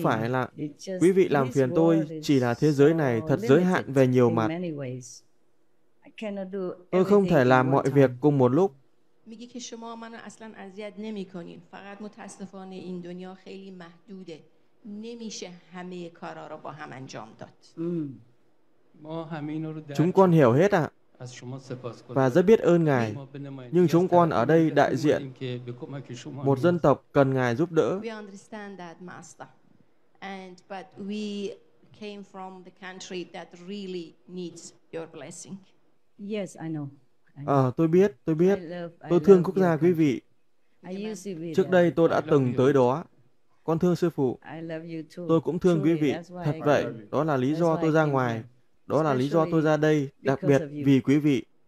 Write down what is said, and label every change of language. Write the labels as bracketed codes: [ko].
[vi] Phải là quý vị làm phiền tôi, chỉ là thế giới này thật giới hạn về nhiều mặt. [en] I cannot do everything. [vi] Tôi không thể làm mọi [en] time. [vi] Việc cùng một lúc. [fa] میگه که شما منو اصلا اذیت نمی‌کنین فقط متأسفانه این دنیا خیلی محدوده نمیشه همه کارا رو با هم انجام داد ما همینا رو درک [vi] chúng con hiểu hết ạ và rất biết ơn ngài, nhưng chúng con ở đây đại diện một dân tộc cần ngài giúp đỡ. [en] We understand that, Master. And but we came from the country that really needs your blessing. Yes, I know. [vi] À, tôi biết. Tôi thương quốc gia quý vị. Trước đây tôi đã từng tới đó. Con thương sư phụ. Tôi cũng thương quý vị. Thật vậy, đó là lý do tôi ra ngoài. Đó là lý do tôi ra đây, đặc biệt vì quý vị.